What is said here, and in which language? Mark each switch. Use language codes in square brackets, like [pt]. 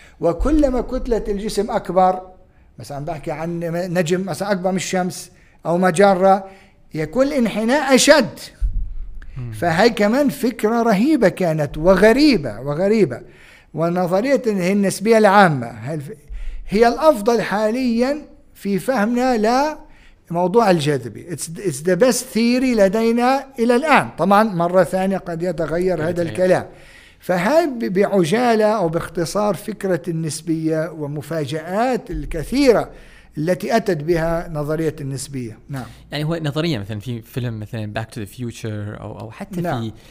[ar] وكلما كتلة الجسم أكبر، مثلا بحكي عن نجم مثلا أكبر من الشمس أو مجرة، يكون الانحناء أشد. فهي كمان فكرة رهيبة كانت وغريبة وغريبة. ونظرية هي النسبية العامة هي الأفضل حاليا في فهمنا لموضوع الجاذبية. [en] It's the best theory [ar] لدينا إلى الآن. طبعا مرة ثانية قد يتغير هذا الكلام. فهي بعجالة أو باختصار فكرة النسبية ومفاجآت الكثيرة التي أتت بها نظرية النسبية. نعم. يعني هو نظرية مثلا في فيلم مثلا Back to the Future أو حتى نعم.